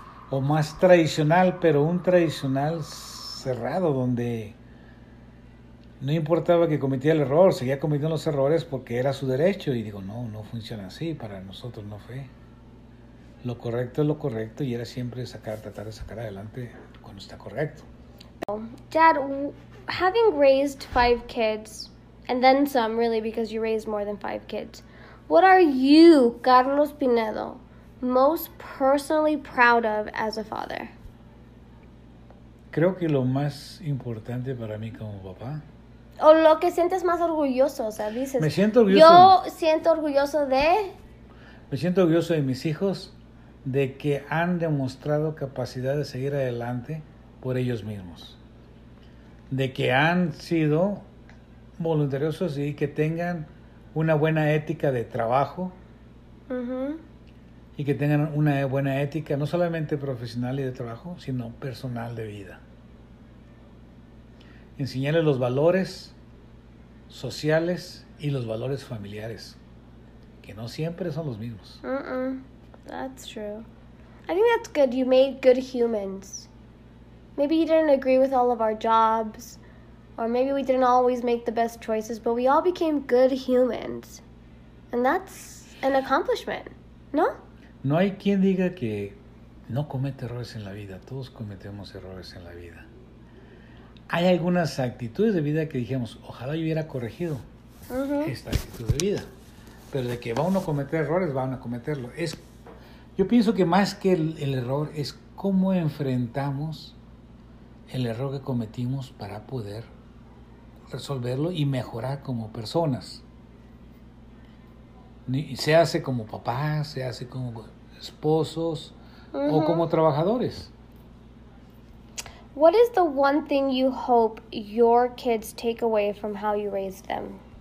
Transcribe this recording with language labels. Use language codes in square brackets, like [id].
[es] O más tradicional, pero un tradicional cerrado donde no importaba que cometía el error, seguía cometiendo los errores porque era su derecho. Y digo, no, no funciona así, para nosotros no fue. Lo correcto es lo correcto y era siempre tratar de sacar adelante cuando está correcto. [en] Dad, having raised five kids, and then some really because you raised more than five kids, what are you, Carlos Pinedo, most personally proud of as a father? [es] Creo que lo más importante para mí como papá. O lo que sientes más orgulloso, o sea, dices, Me siento orgulloso. yo siento orgulloso de. Me siento orgulloso de mis hijos, de que han demostrado capacidad de seguir adelante por ellos mismos, de que han sido voluntariosos y que tengan una buena ética de trabajo y que tengan una buena ética no solamente profesional y de trabajo, sino personal de vida. Enseñarles los valores sociales y los valores familiares, que no siempre son los mismos. [en] That's true. I think that's good. You made good humans. Maybe you didn't agree with all of our jobs, or maybe we didn't always make the best choices, but we all became good humans. And that's an accomplishment, ¿no? [es] No hay quien diga que no comete errores en la vida. Todos cometemos errores en la vida. hay algunas actitudes de vida que dijimos, ojalá yo hubiera corregido esta actitud de vida. Pero de que va uno a cometer errores, va uno a cometerlo. Yo pienso que más que el error es cómo enfrentamos el error que cometimos para poder resolverlo y mejorar como personas. Se hace como papás, se hace como esposos o como trabajadores. [en] What is the one thing you hope your kids take away from how you raised them?